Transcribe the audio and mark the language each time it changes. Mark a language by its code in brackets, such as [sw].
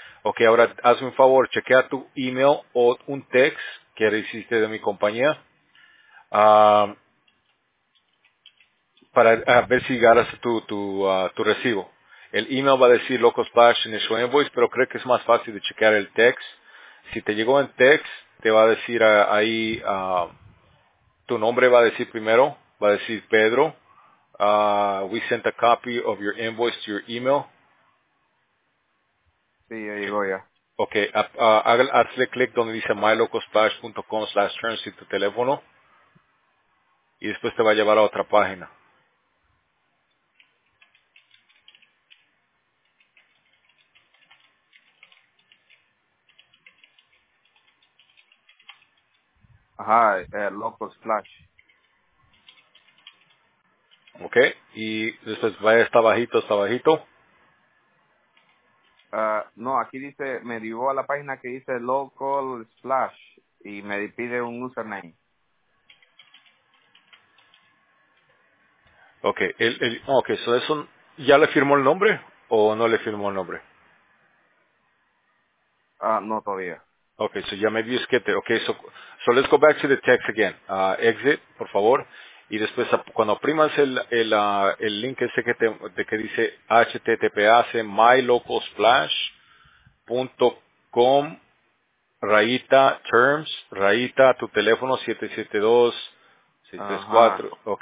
[es] Ok, ahora hazme un favor, chequea tu email o un text que recibiste de mi compañía para ver si ganas tu recibo. El email va a decir Locosplash Initial Invoice, pero creo que es más fácil de chequear el text. Si te llegó en text, te va a decir ahí, tu nombre va a decir primero, va a decir Pedro. [en] We sent a copy of your invoice to your email. [es] Sí, ya llegó ya. Ok, hazle clic donde dice mylocosplash.com/terms y tu teléfono. Y después te va a llevar a otra página. Ajá, Locosplash. Ok, y después vaya está bajito. No, aquí dice, me llevó a la página que dice Local Splash y me pide un username. Ok, so eso, ¿ya le firmó el nombre o no le firmó el nombre? No, todavía. Ok, so ya me dio esquete. [en] Ok, so let's go back to the text again. [es] Exit, por favor. Y después, cuando oprimas el link ese que dice HTTPS, mylocosplash.com, rayita, terms, rayita, tu teléfono, 772-634, uh-huh.